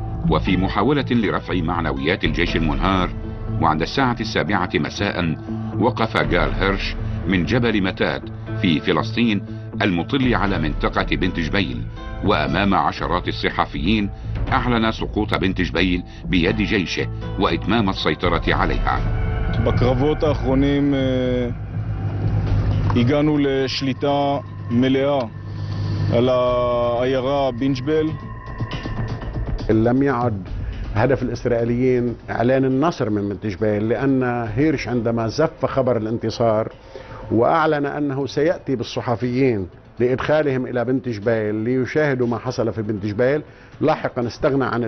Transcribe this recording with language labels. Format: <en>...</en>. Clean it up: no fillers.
<ar>وفي محاولة لرفع معنويات الجيش المنهار، وعند الساعة 7 مساء وقف جال هيرش من جبل متات في فلسطين المطل على منطقة بنت جبيل، وأمام عشرات الصحفيين أعلن سقوط بنت جبيل بيد جيشه وإتمام السيطرة عليها.</ar> <he>בקרבות האחרונים הגענו לשליטה מלאה על העיירה בן ג'בל.</he> <ar>لم يعد هدف الإسرائيليين إعلان النصر من بنت جبيل، لأن هيرش عندما زف خبر الانتصار وأعلن أنه سيأتي بالصحفيين لإدخالهم إلى بنت جبيل ليشاهدوا ما حصل في بنت جبيل، لاحقا استغنى</ar>